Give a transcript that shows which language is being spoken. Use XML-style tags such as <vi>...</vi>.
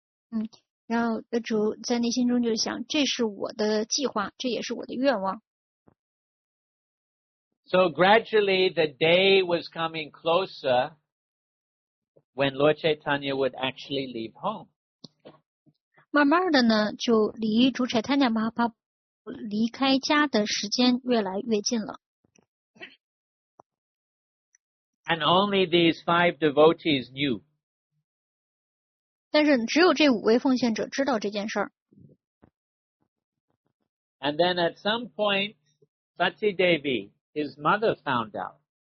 <zh>嗯，然后主在内心中就想，这是我的计划，这也是我的愿望。</zh> <en>So gradually the day was coming closer when Lord Chaitanya would actually leave home.</en> <zh>慢慢的呢，就离主 Chaitanya Mahaprabhu 离开家的时间越来越近了。</zh> <en>And only these five devotees knew.</en> <zh>但是只有这五位奉献者知道这件事儿。</zh> <en>And then at some point, Sati Devi,His mother found out.</en>